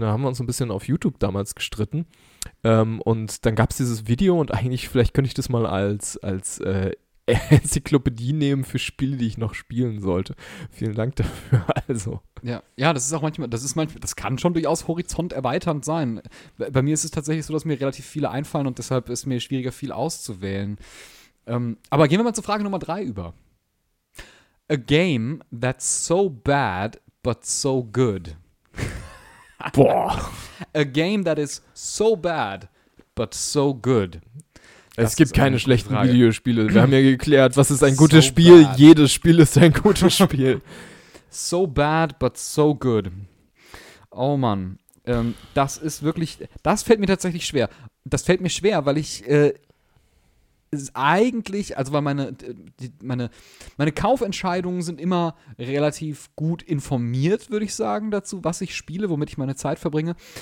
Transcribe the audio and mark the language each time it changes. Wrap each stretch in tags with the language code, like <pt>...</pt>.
<de>Da haben wir uns ein bisschen auf YouTube damals gestritten. Und dann gab es dieses Video und eigentlich, vielleicht könnte ich das mal als Enzyklopädie nehmen für Spiele, die ich noch spielen sollte. Vielen Dank dafür. Also. Ja, das ist auch manchmal, das kann schon durchaus horizont erweiternd sein. Bei mir ist es tatsächlich so, dass mir relativ viele einfallen und deshalb ist mir schwieriger, viel auszuwählen. Aber gehen wir mal zu Frage Nummer 3 über.</de> <en>A game that's so bad, but so good. Boah. A game that is so bad, but so good.</en> <de>Es gibt keine schlechten Frage. Videospiele. Wir haben ja geklärt, was ist ein gutes Spiel? Bad. Jedes Spiel ist ein gutes Spiel.</de> <en>So bad, but so good.</en> <de>Oh Mann. Das ist wirklich, das fällt mir tatsächlich schwer. Das fällt mir schwer, weil ich eigentlich, also weil meine Kaufentscheidungen sind immer relativ gut informiert, würde ich sagen, dazu, was ich spiele, womit ich meine Zeit verbringe.</de>